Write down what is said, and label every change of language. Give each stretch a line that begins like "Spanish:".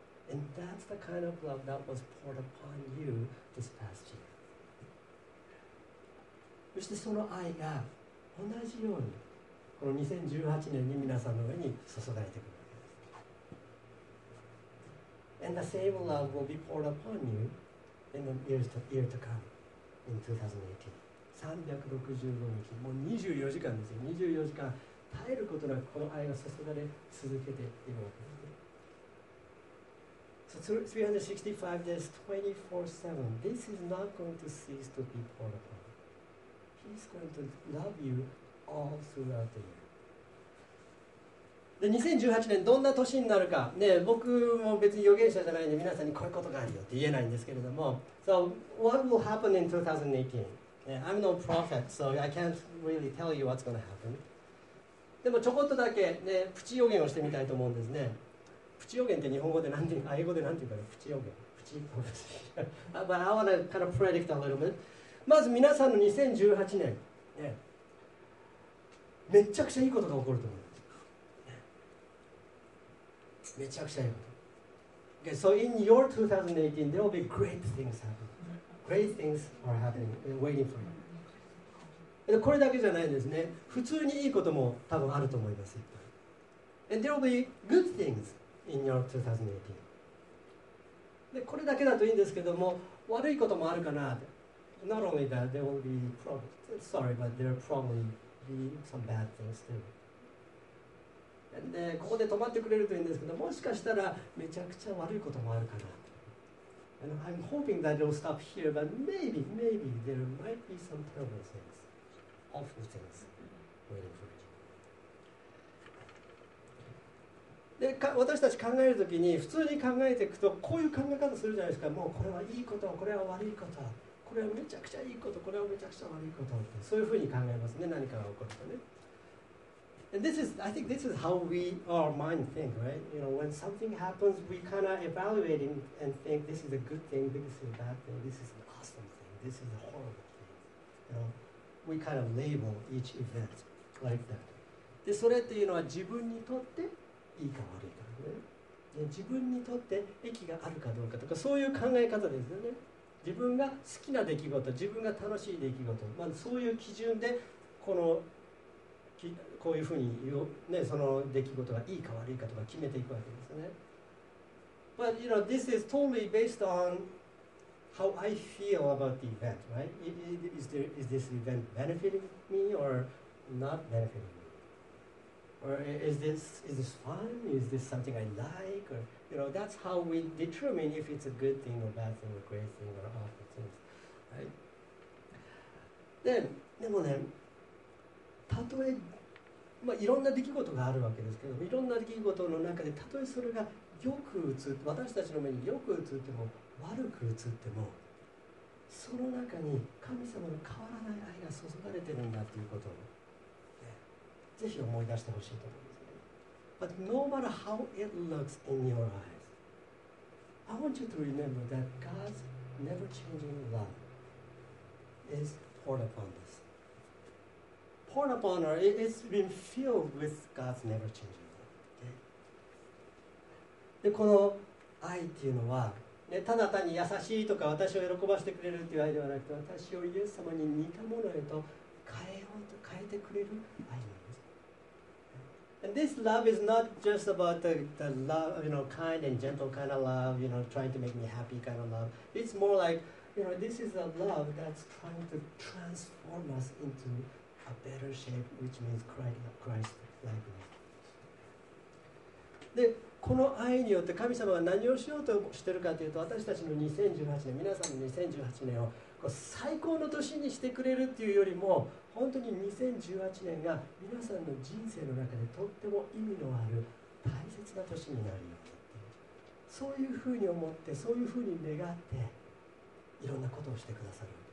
English: And that's the kind of love that was poured upon you this past year.
Japanese: そしてその愛が同じようにこの2018年に皆さんの上に注がれてくるわけです。
English: And the same love will be poured upon you in the year to come, in 2018.
Japanese: 365日、もう24時間ですよ、24時間。耐えることなくこの愛が注がれ続けているわけですね。
English: So 365 days 24/7, this is not going to cease to be poured upon. He's going to love you all throughout the year.
Japanese: で、2018年どんな年になるか、ね、僕も別に預言者じゃないんで皆さんにこういうことがあるよって言えないんですけれども、
English: So what will happen in 2018? I'm no prophet, so I can't really tell you what's going to happen.
Japanese: でもちょこっとだけ、ね、プチ予言をしてみたいと思うんですね。プチ予言って日本語で何て言う、英語で何て言うか、プチ予言。プチ予言。
English: But I want to kind of predict a little bit.
Japanese: まず皆さんの2018年、ね、めちゃくちゃいいことが起こると思う。めちゃくちゃいいこと。
English: Okay, so in your 2018, there will be great things happening. Great things are happening and waiting for you.
Japanese: これだけじゃないんですね。普通にいいことも多分あると思います。
English: And there will be good things in your 2018.
Japanese: でこれだけだといいんですけども、悪いこともあるかな。
English: Not only that, there will be problems. Sorry, but there will probably be some bad things too.
Japanese: And ここで止まってくれるといいんですけど、もしかしたらめちゃくちゃ悪いこともあるかな。
English: And I'm hoping that it will stop here, but maybe, maybe there might be some terrible things. Awful things waiting for you.
Japanese: でか私たち考えるときに普通に考えていくとこういう考え方するじゃないですか。もうこれはいいこと、これは悪いこと、これはめちゃくちゃいいこと、これはめちゃくちゃ悪いことって、そういうふうに考えますね。何かが起こるとね。
English: And this is, I think this is how we, our mind think, right? You know, when something happens, we kind of evaluate and think this is a good thing, this is a bad thing, this is an awesome thing, this is a horrible thing, you know? We kind of label each event like that.
Japanese: で、それっていうのは自分にとっていいか悪いかね。自分にとって益があるかどうかとか、そういう考え方ですよね。自分が好きな出来事、自分が楽しい出来事、まあ、そういう基準でこういうふうに言う、ね、その出来事がいいか悪いかとか決めていくわけですね。
English: But you know, this is totally based onHow I feel about the event, right? Is this event benefiting me or not benefiting me? Or is this fun? Is this something I like? Or, you know, that's how we determine if it's a good thing or bad thing or great thing or awful thing, right?
Japanese: でもね、たとえ、まあ、いろんな出来事があるわけですけど、いろんな出来事の中でたとえそれがよく映って、私たちの目によく映っても、悪く映っても、そその中に神様の変わらない愛が注がれているんだということを、ぜひ思い出してほしいと思います。
English: But no matter how it looks in your eyes, I want you to remember that God's never-changing love is poured upon us. Poured upon us, it's been filled with God's never-changing love.、Okay?
Japanese: で、この愛っていうのは、ね、ただ単に優しいとか私を喜ばせてくれるっていう愛ではなくて、私をイエス様に似たものへと変えてくれる愛なんです。
English: And this love is not just about the love, you know, kind and gentle kind of love, you know, trying to make me happy kind of love. It's more like, you know, this is a love that's trying to transform us into a better shape, which means Christ-likeness.
Japanese: で、この愛によって神様は何をしようとしているかというと、私たちの2018年、皆さんの2018年をこう最高の年にしてくれるっていうよりも、本当に2018年が皆さんの人生の中でとっても意味のある大切な年になるよって、そういうふうに思って、そういうふうに願っていろんなことをしてくださる。